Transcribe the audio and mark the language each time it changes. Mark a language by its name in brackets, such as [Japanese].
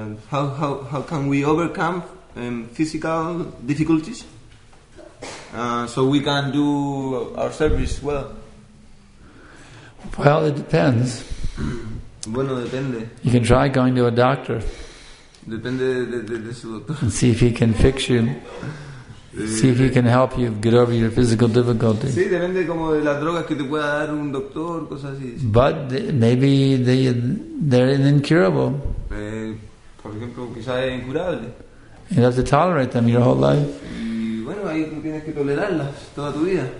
[English] how can we overcome physical difficulties so we can do our service well? It depends. [Spanish] Bueno, depende. [English] You can try going to a doctor. [Spanish] Depende de su doctor. [English] And see if he can fix you. See if he can help you get over your physical difficulty. [Spanish] Sí, depende como de las drogas que te pueda dar un doctor, cosas así. [English] But maybe they're incurable. [Spanish] Por ejemplo, quizás es incurable. [English] You have to tolerate them your whole life. [Spanish] Y bueno, ahí tú tienes que tolerarlas toda tu vida.